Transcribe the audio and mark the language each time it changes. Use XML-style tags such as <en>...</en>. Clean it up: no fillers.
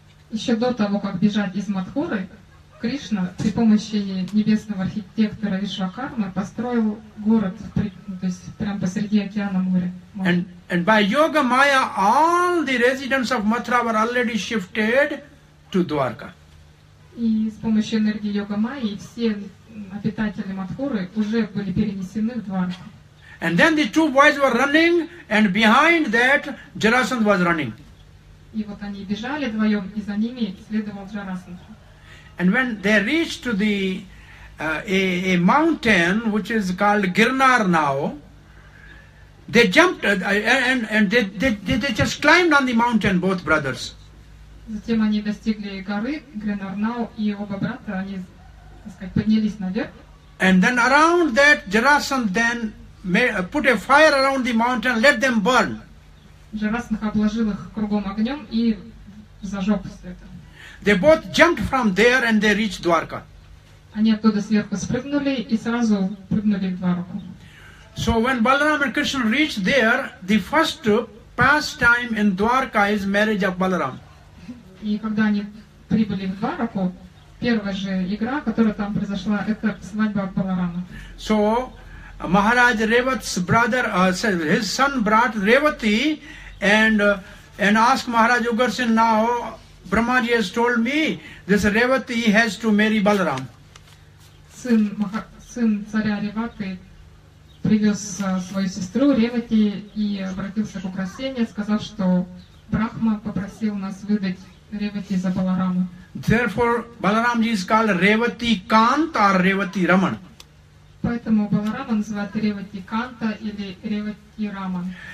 <ru>Еще до того, как бежать из Матхуры, Кришна при помощи небесного архитектора Вишвакармы построил город, то есть прямо посреди океана моря.</ru> <en>And by yoga maya, all the residents of Mathura were already shifted to Dwarka.</en> <ru>И с помощью энергии йога майи все обитатели Матхуры уже были перенесены в Дварку.</ru> <en>And then the two boys were running, and behind that, Jarasandha was running.</en> <ru>И вот они бежали вдвоем, и за ними следовал Джарасандха.</ru> <en>And when they reached to a mountain which is called Girnar now, they jumped and they just climbed on the mountain, both brothers.</en> <ru>Затем они достигли горы Girnar</ru> <en>now,</en> <ru>и оба брата, они, так сказать, поднялись наверх.</ru> <en>And then around that, Jarasandha then put a fire around the mountain, let them burn.</en> <ru>Джарасандха обложил их кругом огнем и зажег все это.</ru> <en>They both jumped from there and they reached Dwarka.</en> <ru>Они оттуда сверху спрыгнули и сразу прыгнули в Дварку.</ru> <en>So when Balaram and Krishna reached there, the first pastime in Dwarka is marriage of Balaram.</en> <ru>И когда они прибыли в Двараку, первая же игра, которая там произошла, это свадьба Баларама.</ru> <en>So Maharaj Revati's brother, his son brought Revati and asked Maharaj Ugarsen, now Brahmaji has told me this Revati has to marry Balaram.</en> <ru>Сын царя Ревати привез свою сестру Ревати и обратился к украсению, сказал, что Брахма попросил нас выдать Ревати за Баларама.</ru> <en>Therefore, Balaramji is called Revati Kanta or Revati Raman.</en> <ru>Поэтому Баларама называют Ревати Канта или Ревати Раман.</ru>